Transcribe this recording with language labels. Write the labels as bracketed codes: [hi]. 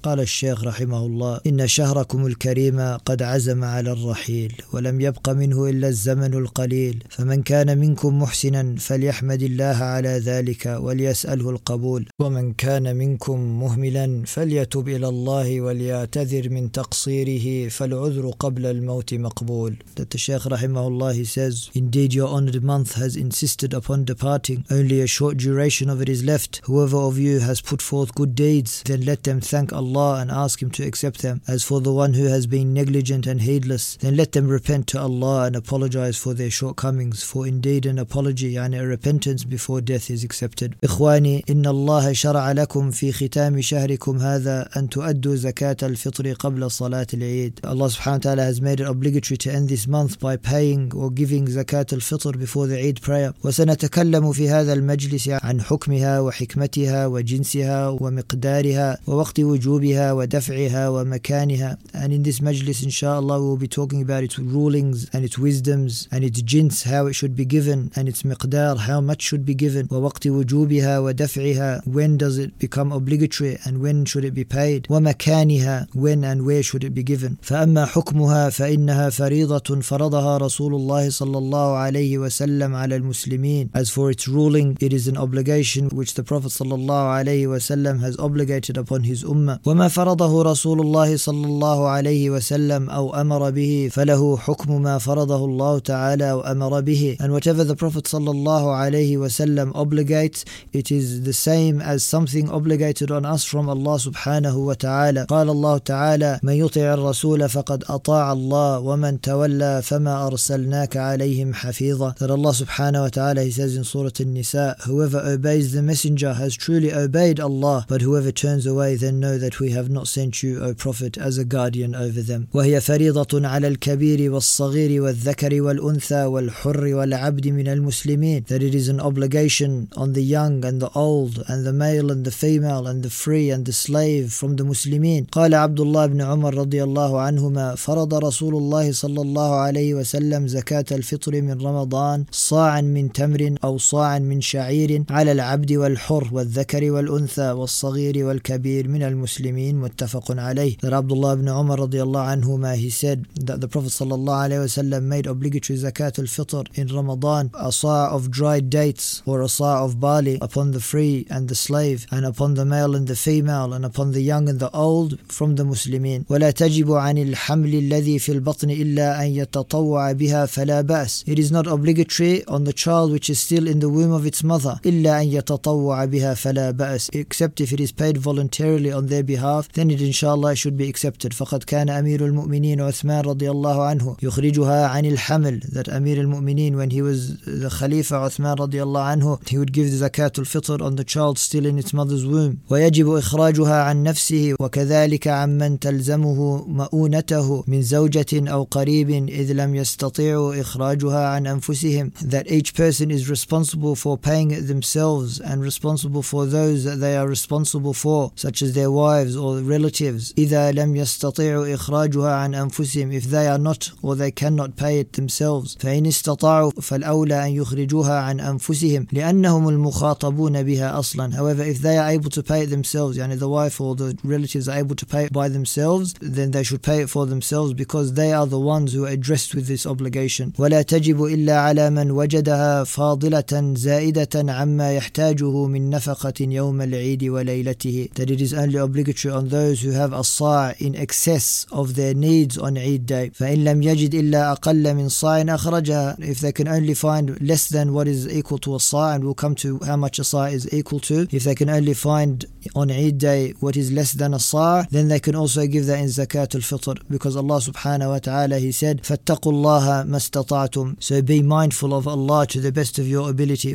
[ar] قال الشيخ رحمه الله إن شهركم الكريم قد عزم على الرحيل ولم يبق منه إلا الزمن القليل فمن كان منكم محسنا فليحمد الله على ذلك وليسأله القبول ومن كان منكم مهملا فليتوب إلى الله وليعتذر من تقصير فالعذر قبل الموت مقبول. [en] That the Shaykh rahimahullah, he says, indeed your honored month has insisted upon departing, only a short duration of it is left. Whoever of you has put forth good deeds, then let them thank Allah and ask him to accept them. As for the one who has been negligent and heedless, then let them repent to Allah and apologize for their shortcomings, for indeed an apology and a repentance before death is accepted. [ar] إخواني إن الله شرع لكم في ختام شهركم هذا أن تؤدوا زكاة الفطر قبل صلاة. [en] Allah subhanahu wa ta'ala has made it obligatory to end this month by paying or giving zakat al-fitr before the Eid prayer. [ar] وسنتكلم في هذا المجلس عن حكمها وحكمتها وجنسها ومقدارها ووقت وجوبها ودفعها ومكانها. [en] And in this majlis, inshallah, we will be talking about its rulings and its wisdoms and its jins, how it should be given, and its miqdar, how much should be given. [ar] ووقت وجوبها ودفعها, [en] when does it become obligatory and when should it be paid. [ar] ومكانها, [en] when and where should it be given. [ar] فأما حكمها فإنها فريضة فرضها رسول الله صلى الله عليه وسلم على المسلمين. [en] As for its ruling, it is an obligation which the Prophet صلى الله عليه وسلم has obligated upon his ummah. [ar] وما فرضه رسول الله صلى الله عليه وسلم أو أمر به فله حكم ما فرضه الله تعالى أو أمر به. [en] And whatever the Prophet صلى الله عليه وسلم obligates, it is the same as something obligated on us from Allah سبحانه وتعالى. [ar] قال الله تعالى من يطع الرسول فقد أطاع الله ومن تولى فما أرسلناك عليهم حفيظا. [en] That Allah subhanahu wa ta'ala, he says in Surah An-Nisa, whoever obeys the messenger has truly obeyed Allah, but whoever turns away, then know that we have not sent you, O Prophet, as a guardian over them. [ar] وهي فريضة على الكبير والصغير والذكر والأنثى والحر والعبد من المسلمين. [en] That it is an obligation on the young and the old, and the male and the female, and the free and the slave from the Muslimin. [ar] قال عبد الله بن عمر رضي الله عنهما فرض رسول الله صلى الله عليه وسلم زكاة الفطر من رمضان صاعا من تمر أو صاعا من شعير على العبد والحر والذكر والأنثى والصغير والكبير من المسلمين متفق عليه. [en] That عبد الله بن عمر رضي الله عنهما, he said that the Prophet صلى الله عليه وسلم made obligatory زكاة الفطر in Ramadan, a صاع of dried dates or a صاع of barley upon the free and the slave, and upon the male and the female, and upon the young and the old from the Muslimin. [ar] ولا تجب عن الحمل الذي في البطن إلا أن يتطوع بها فلا بأس. [en] It is not obligatory on the child which is still in the womb of its mother. [ar] إلا أن يتطوع بها فلا بأس. [en] Except if it is paid voluntarily on their behalf, then it inshallah should be accepted. [ar] فقد كان أمير المؤمنين عثمان رضي الله عنه يخرجها عن الحمل. [en] That أمير المؤمنين, when he was the خليفة عثمان رضي الله عنه, he would give the zakat al-fitr on the child still in its mother's womb. [ar] ويجب إخراجها عن نفسه وكذلك عن من تلزمه مؤونته من زوجة أو قريب إذ لم يستطيعوا إخراجها عن أنفسهم. [en] That each person is responsible for paying it themselves and responsible for those that they are responsible for, such as their wives or relatives. [ar] إذا لم يستطيعوا إخراجها عن أنفسهم, [en] if they are not or they cannot pay it themselves. [ar] فإن استطاعوا فالأولى أن يخرجوها عن أنفسهم لأنهم المخاطبون بها أصلا. [en] However, if they are able to pay it themselves, يعني the wife or the relatives are able to pay it by themselves, then they should pay it for themselves because they are the ones who are addressed with this obligation. [ar] ولا تجب إلا على من وجدها فاضلة زائدة عما يحتاجه من نفقة يوم العيد وليلته. [en] That it is only obligatory on those who have a صاع in excess of their needs on Eid day. [ar] فإن لم يجد إلا أقل من صاع أخرجها. [en] If they can only find less than what is equal to a صاع, and we'll come to how much a صاع is equal to, if they can only find on Eid day what is less than a صاع, then they can also give that in zakat al-fitr. Fitr, because Allah subhanahu wa ta'ala, he said, [ar] فَاتَّقُوا اللَّهَ مَا اسْتَطَعْتُمْ, [en] so be mindful of Allah to the best of your ability.